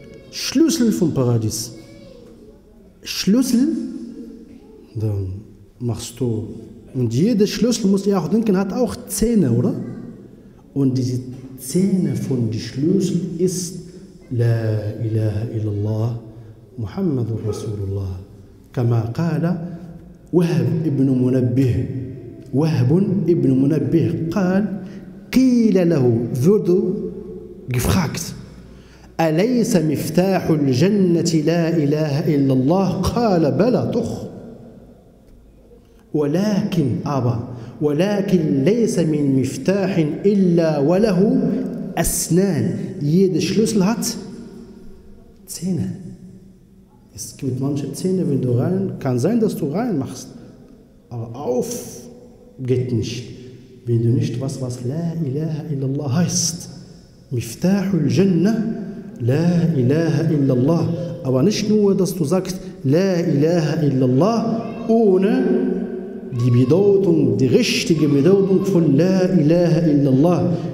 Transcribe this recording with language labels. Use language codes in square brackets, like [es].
[de] Schlüssel vom Paradies. Schlüssel, dann machst du. Und jeder Schlüssel, musst du ja auch denken, hat auch Zähne, oder? Und diese Zähne von den Schlüssel ist La ilaha illallah. [ar] محمد رسول الله كما قال وهب ابن منبه وهب ابن منبه قال قيل له ذو [de] gefragt [ar] اليس مفتاح الجنه لا اله الا الله قال بلى تخ ولكن ابا ولكن ليس من مفتاح الا وله اسنان [de] jeder Schlüssel hat Zähne. Es gibt manche Zähne, wenn du rein, kann sein, dass du reinmachst, aber auf geht nicht, wenn du nicht weißt, was La ilaha illallah heißt. Miftahul Jannah, La ilaha illallah. Aber nicht nur, dass du sagst, La ilaha illallah, ohne die Bedeutung, die richtige Bedeutung von La ilaha illallah.